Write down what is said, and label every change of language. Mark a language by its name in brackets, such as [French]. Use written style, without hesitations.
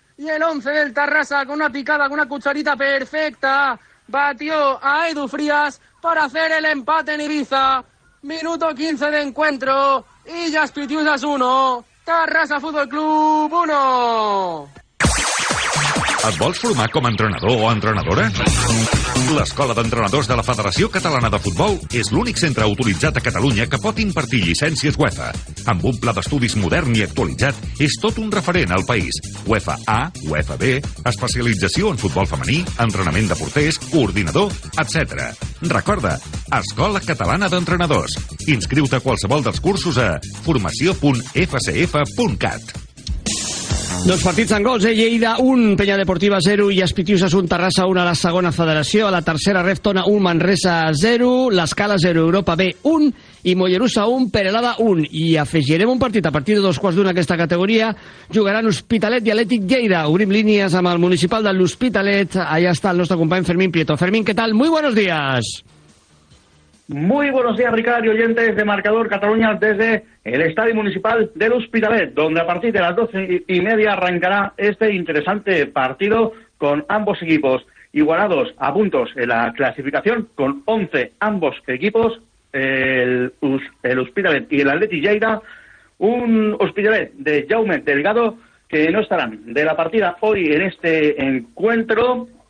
[Spanish] Y el 11 del Tarrasa, con una picada, con una cucharita perfecta, batió a Edu Frías para hacer el empate en Ibiza. Minuto 15 de encuentro, Illas Pitiusas 1, Tarrasa Fútbol Club 1. [Catalan] Et vols formar com a entrenador o entrenadora? L'Escola d'Entrenadors de la Federació Catalana de Futbol és l'únic centre autoritzat a Catalunya que pot impartir llicències UEFA. Amb un pla d'estudis modern i actualitzat, és tot un referent al país. UEFA A, UEFA B, especialització en futbol femení, entrenament de porters, coordinador, etc. Recorda, Escola Catalana d'Entrenadors. Inscriu-te a qualsevol dels cursos a formació.fcf.cat. Dos partits amb gols, Lleida 1, Penya Deportiva 0, i Pitiusas 1, Terrassa 1, a la segona federació, a la tercera Ref Tona 1, Manresa 0, l'Escala 0, Europa B 1, i Mollerussa 1, Peralada 1. I afegirem un partit a partir de dos quarts d'una aquesta categoria, jugaran Hospitalet i Atlètic Lleida. Obrim línies amb el municipal de l'Hospitalet, allà està el nostre company Fermín Prieto. Fermín, què tal? [Spanish] Muy buenos días. Muy buenos días, Ricard, y oyentes de Marcador Cataluña desde el Estadio Municipal del Hospitalet, donde a partir de las 12:30 arrancará este interesante partido con ambos equipos igualados a puntos en la clasificación, con 11 ambos equipos, el Hospitalet y el Atlético Lleida, un Hospitalet de Jaume Delgado, que no estarán de la partida hoy en este encuentro.